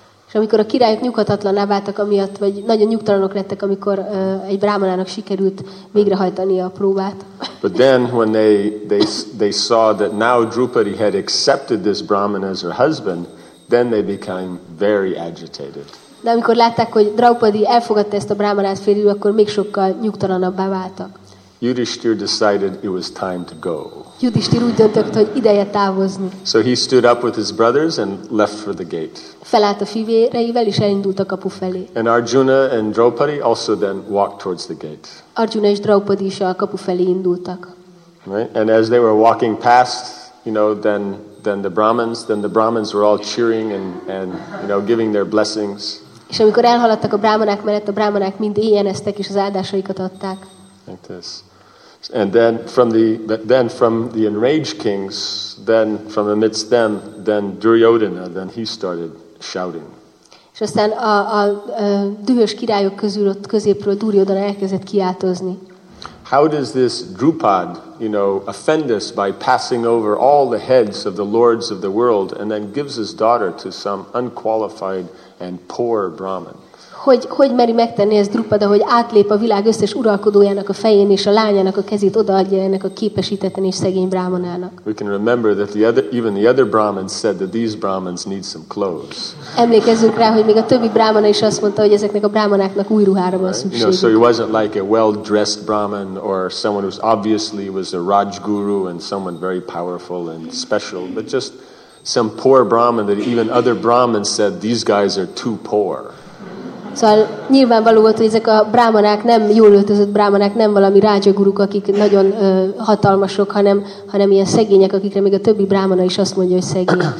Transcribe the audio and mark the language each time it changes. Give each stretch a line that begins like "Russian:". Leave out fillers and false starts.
Hungarian: És amikor a királyok nyugatatlanná váltak amiatt, vagy nagyon nyugtalanok lettek, amikor egy brámanának sikerült végrehajtani a próbát.
English: But then when they saw that now Drupadi had accepted this Brahmin as her husband, then they became very agitated.
Hungarian: De amikor látták, hogy Draupadi elfogadta ezt a brámanát férjül, akkor még sokkal nyugtalanabbá váltak.
English: Yudhishthir decided it was time to go.
Hungarian: Yudhishthir úgy döntött, hogy ideje távozni.
English: So he stood up with his brothers and left for the gate.
Hungarian: Felállt a fivéreivel és elindult a kapu felé.
English: And Arjuna and Draupadi also then walked towards the gate.
Hungarian: Arjuna és Draupadi is a kapu felé indultak.
English: Right? And as they were walking past, then the Brahmins were all cheering and giving their blessings.
Hungarian: És amikor elhaladtak a brahmanák mellett, a brahmanák mind éjjeneztek és az áldásaikat adták.
English: Like this. And then from the enraged kings, then from amidst them, then Duryodhana, then he started shouting.
Hungarian: És aztán a dühös királyok közül ott középről Duryodhana elkezdett kiáltozni.
English: How does this Drupad, offend us by passing over all the heads of the lords of the world and then gives his daughter to some unqualified and poor Brahmin?
Hungarian: hogy meri megtenni ezt Drupada, hogy átlép a világ összes uralkodójának a fején és a lányának a kezét odaadja ennek a képesítetten és szegény brahmanának.
English: We can remember that even the other brahmins said that these brahmins need some clothes.
Hungarian: Emlékezzünk rá, hogy még a többi brahmana is azt mondta, hogy ezeknek a brahmanáknak új ruhára van szükségük.
English: You know, so he wasn't like a well-dressed brahmin or someone who's obviously was a rajguru and someone very powerful and special, but just some poor brahmin that even other brahmins said these guys are too poor.
Hungarian: Szóval nyilvánvaló volt, hogy ezek a brámanák nem jól öltözött brámanák, nem valami rágyaguruk, akik nagyon hatalmasok, hanem ilyen szegények, akikre még a többi brámana is azt mondja, hogy szegény.